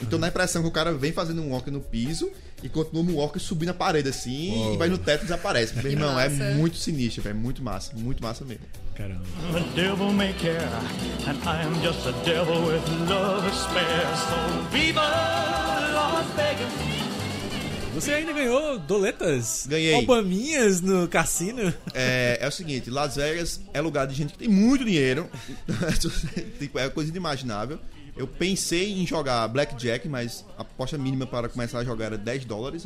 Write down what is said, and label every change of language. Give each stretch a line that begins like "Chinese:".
Portuguese: Então dá a impressão que o cara vem fazendo um walk no piso e continua um walk subindo a parede assim. Uou. E vai no teto e desaparece. Meu irmão, é muito sinistro, velho. Muito massa. Muito massa mesmo. Caramba.
English: The devil may care, and I am just a devil with love to spare. So viva Las Vegas.
Portuguese: Você ainda ganhou doletas? Ganhei. Obaminhas no cassino? É o seguinte, Las Vegas é lugar de gente que tem muito dinheiro. Tipo, é coisa inimaginável. Eu pensei em jogar blackjack, mas a aposta mínima para começar a jogar era 10 dólares.